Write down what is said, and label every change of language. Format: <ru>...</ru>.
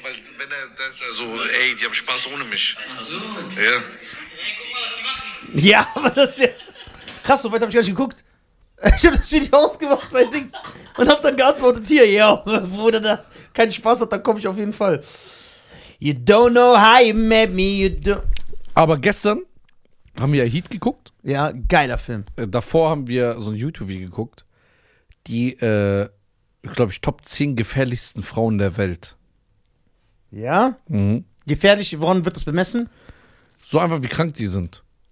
<de>weil wenn er dann ist er so, ey, die haben Spaß ohne mich. Ach so. Ja. Ey, guck mal, was die machen. Ja, aber das ist ja. Krass, so weit hab ich gar nicht geguckt. Ich hab das Video ausgemacht, mein Dings. Und hab dann geantwortet: hier, ja, wo der da keinen Spaß hat, dann komm ich auf jeden Fall.</de> <en>You don't know how you met me, you don't.</en> <de>Aber gestern haben wir Heat geguckt. Ja, geiler Film. Davor haben wir so ein YouTube-Video geguckt, die, glaube ich, Top 10 gefährlichsten Frauen der Welt. Ja? Mhm. Gefährlich, woran wird das bemessen? So einfach, wie krank die sind.</de>